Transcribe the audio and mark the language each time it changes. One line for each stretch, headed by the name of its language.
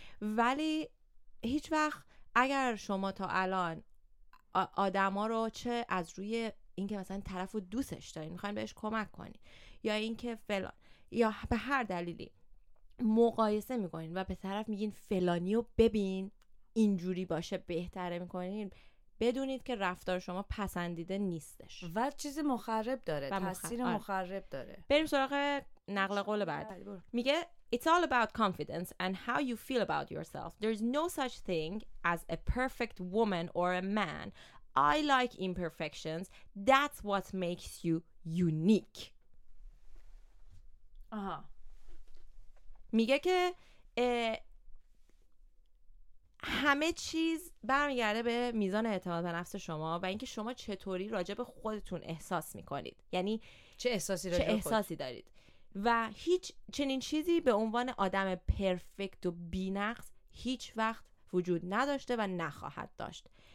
Persian: ولی هیچ وقت اگر شما تا الان آدما رو چه از روی اینکه مثلا طرفو دوستش دارین میخواین بهش کمک کنی یا اینکه فلان یا به هر دلیلی مقایسه میکنین و به طرف میگین فلانیو ببین اینجوری باشه بهتره میکنین، بدونید که رفتار شما پسندیده نیستش و چیز مخرب داره، تاثیر مخرب داره. بریم سراغ نقل قول بعد. میگه
English: It's all about confidence and how you feel about yourself. There's no such thing as a perfect woman or a man. I like imperfections. That's what makes you unique.
Persian: آها. میگه که همه چیز برمیگرده به میزان اعتماد به نفس شما و اینکه شما چطوری راجع به خودتون احساس میکنید، یعنی چه احساسی دارید و هیچ چنین چیزی به عنوان آدم پرفکت و بی‌نقص هیچ وقت وجود نداشته و نخواهد داشت.